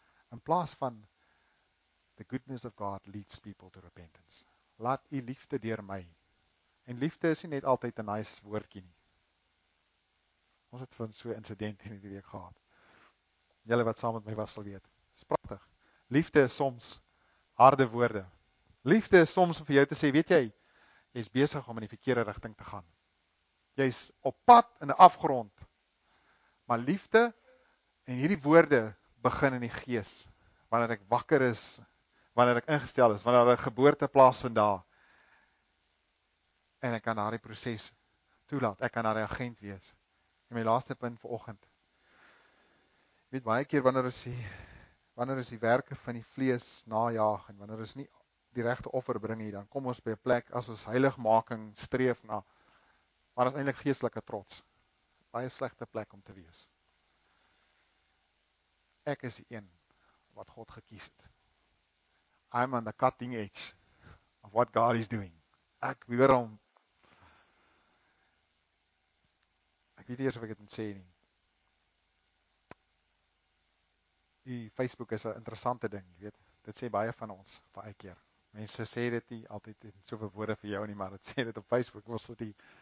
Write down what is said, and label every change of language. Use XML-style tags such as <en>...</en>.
<af>In plaas van</af> <en>the goodness of God leads people to repentance.</en> <af>Laat u liefde deur my. En liefde is nie net altyd 'n nice woordjie nie. Ons het van so 'n insident in die week gehad. Julle wat saam met my was sal weet. Dis pragtig. Liefde is soms harde woorde. Liefde is soms om vir jou te sê, weet jy, jy's besig om in die verkeerde rigting te gaan. Jy's op pad in 'n afgrond. Maar liefde en hierdie woorde begin in die gees. Wanneer ek wakker is, wanneer ek ingestel is, wanneer 'n geboorte plaasvind daar. En ek kan daardie proses toelaat. Ek kan daardie agent wees. En my laaste punt vir oggend. Weet baie keer wanneer ons die werke van die vlees najaag en wanneer ons nie die regte offer bring nie, dan kom ons by 'n plek as ons heiligmaking streef na maar as eintlik geestelike trots. Baie slegte plek om te wees. Ek is die een wat God gekies het.</af> <en>I'm on the cutting edge of what God is doing.</en> <af>Ek weer om weet eers of ek dit moet sê nie. Die Facebook is 'n interessante ding, jy weet. Dit sê baie van ons, baie keer. Mense sê dit nie altyd in soveel woorde vir jou nie, maar dit sê dit op Facebook. Ons sê dit.</af>